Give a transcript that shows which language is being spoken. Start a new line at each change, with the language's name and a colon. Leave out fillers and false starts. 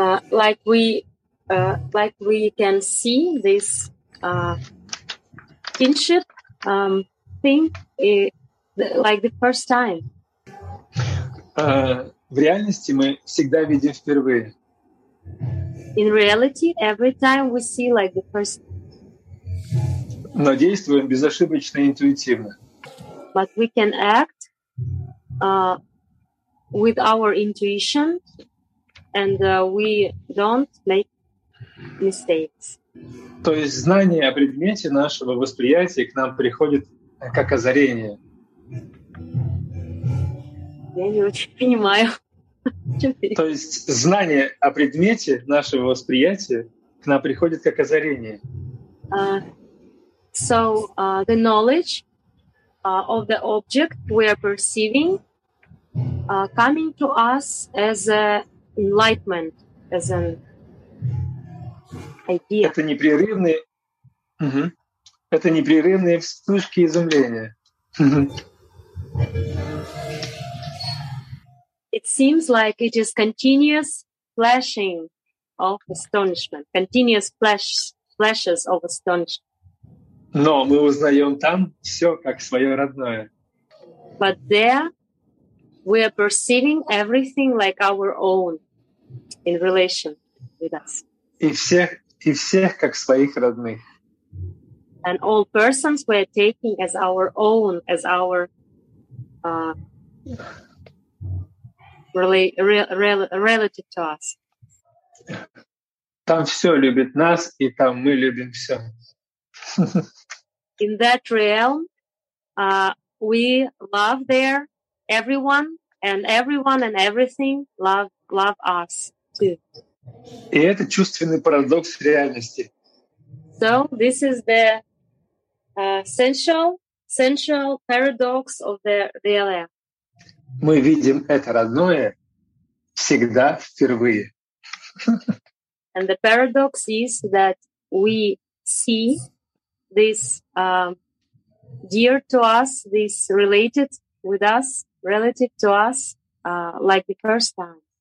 English: Like we can see this kinship thing like the first time.
Russian: В реальности мы всегда видим впервые.
English: In reality, every time we see like the first.
Russian: Но действуем безошибочно и интуитивно.
English: But we can act with our intuition. And we don't make mistakes.
Russian: То есть знание о предмете нашего восприятия к нам приходит как озарение. Я не очень понимаю. То есть знание о предмете нашего восприятия к нам приходит как озарение.
English: The knowledge of the object we are perceiving coming to us as a enlightenment as an idea.
Russian: Это непрерывные вспышки изумления.
English: It seems like it is continuous flashing of astonishment, continuous flashes of astonishment.
Russian: Но мы узнаем там все как свое родное.
English: But there we are perceiving everything like our own. In relation with us.
Russian: И всех как своих родных.
English: And all persons we are taking as our own, as our relative to us.
Russian: Там все любит нас, и там мы любим все.
English: In that realm, we love there everyone, and everyone and everything love us.
Russian: И это чувственный парадокс реальности.
English: So this is the sensual paradox of the reality.
Russian: Мы видим это родное всегда впервые.
English: And the paradox is that we see this dear to us, this related with us, relative to us, like the first time.